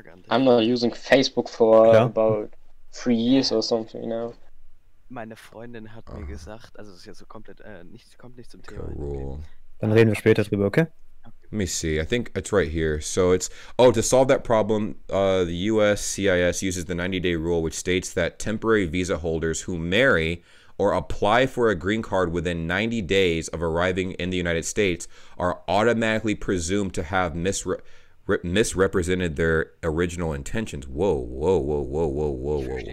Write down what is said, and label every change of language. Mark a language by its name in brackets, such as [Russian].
[English] I'm not using Facebook for about 3 years or something, you know. [German] Meine Freundin hat mir gesagt, also es ist ja so komplett, nicht, kommt nicht zum Thema. [English] Okay, rule. [German] Dann reden wir später drüber, okay? [English] Let me see. I think it's right here. So it's, to solve that problem, the USCIS uses the 90-day rule, which states that temporary visa holders who marry or apply for a green card within 90 days of arriving in the United States are automatically presumed to have misrepresented their original intentions. Whoa.